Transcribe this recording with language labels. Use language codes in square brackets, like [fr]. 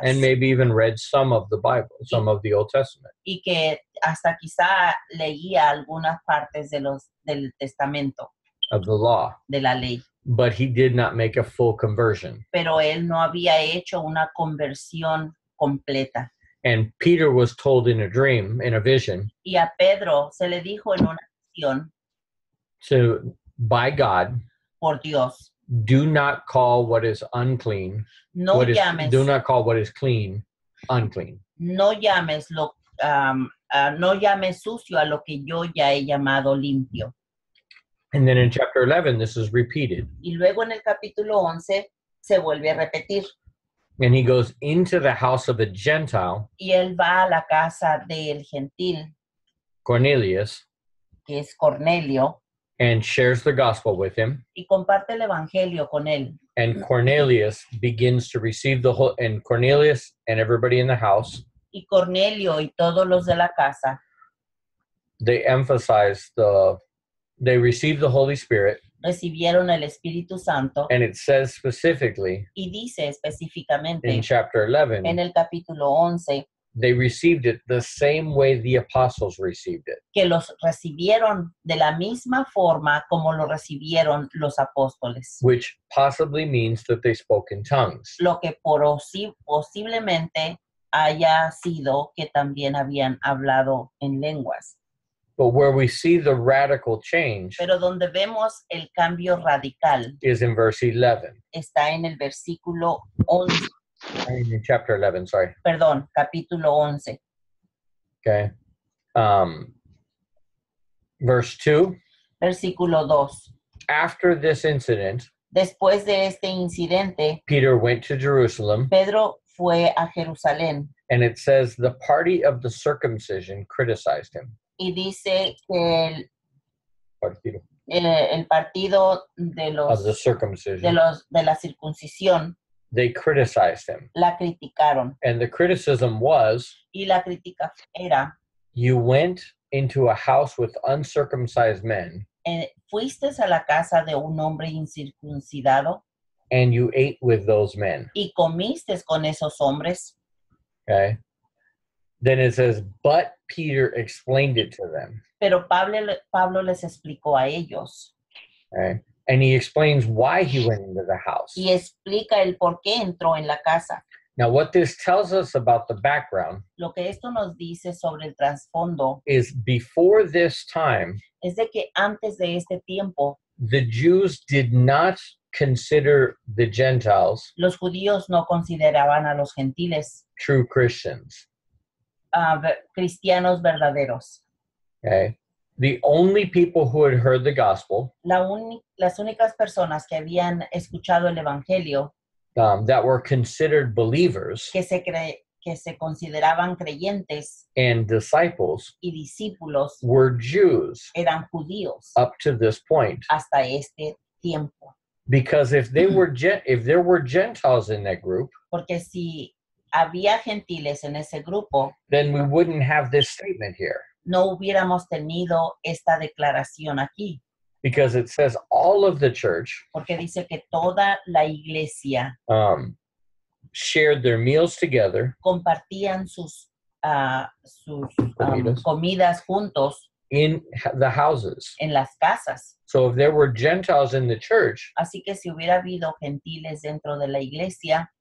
[en] And maybe even read some of the Bible, some of the Old Testament. [es] Y que hasta quizá leía algunas partes de los del testamento. [en] Of the law. [es] De la ley. [en] But he did not make a full conversion. [es] Pero él no había hecho una conversión completa. [en] And Peter was told in a dream, in a vision. [es] Y a Pedro se le dijo en una visión. [en] So, by God. [es] Por Dios. [en] Do not call what is unclean. [es] No llames. [en] Do not call what is clean. unclean. [es] No llames lo no llames sucio a lo que yo ya he llamado limpio. [en] And then in chapter 11, this is repeated. [es] Y luego en el capítulo 11 se vuelve a repetir. [en] And he goes into the house of a Gentile. [es] Y él va a la casa del gentil. [en] Cornelius. [es] Que es Cornelio. [en] And shares the gospel with him. [es] Y comparte el evangelio con él. [en] And Cornelius begins to receive the whole, and Cornelius and everybody in the house. [es] Y Cornelio y todos los de la casa. [en] They emphasize the, they receive the Holy Spirit. [es] Recibieron el Espíritu Santo. [en] And it says specifically. [es] Y dice específicamente. [en] In chapter 11. [es] En el capítulo 11. [en] They received it the same way the apostles received it. [es] Que los recibieron de la misma forma como lo recibieron los apóstoles. [en] Which possibly means that they spoke in tongues. [es] Lo que posiblemente haya sido que también habían hablado en lenguas. [en] But where we see the radical change. [es] Pero donde vemos el cambio radical. [en] Is in verse 11. [es] Está en el versículo 11. [en] In chapter 11, sorry. [es] Perdón, capítulo 11. [en] Okay. Verse 2. [es] Versículo 2. [en] After this incident. [es] Después de este incidente. [en] Peter went to Jerusalem. [es] Pedro fue a Jerusalén. [en] And it says the party of the circumcision criticized him. [es] Y dice que el partido de los. [en] Of the circumcision. [es] De la circuncisión. [en] They criticized him. [es] La criticaron. [en] And the criticism was. [es] Y la crítica era. [en] You went into a house with uncircumcised men. [es] Fuiste a la casa de un hombre incircuncidado. [en] And you ate with those men. [es] Y comiste con esos hombres. [en] Okay. Then it says, but Peter explained it to them. [es] Pero Pablo les explicó a ellos. [en] Okay. And he explains why he went into the house. [es] Y explica el por qué entró en la casa. [en] Now, what this tells us about the background. [es] Lo que esto nos dice sobre el trasfondo. [en] Is before this time. [es] Es de que antes de este tiempo. [en] The Jews did not consider the Gentiles. [es] Los judíos no consideraban a los gentiles. [en] True Christians. [es] Cristianos verdaderos. [en] Okay. The only people who had heard the gospel. [es] Las únicas personas que habían escuchado el evangelio. [en] That were considered believers. [es] Que se consideraban creyentes. [en] And disciples. [es] Y discípulos. [en] Were Jews. [es] Eran judíos. [en] Up to this point. [es] Hasta este tiempo. [en] Because if they were if there were Gentiles in that group. [es] Porque si había gentiles en ese grupo. [en] Then we wouldn't have this statement here. [es] No hubiéramos tenido esta declaración aquí. [en] Because it says all of the church. [es] Porque dice que toda la iglesia. [en] Shared their meals together. [es] Compartían sus comidas juntos. [en] In the houses. [es] En las casas. [en] So if there were Gentiles in the church. [es] Así que si hubiera habido gentiles dentro de la iglesia.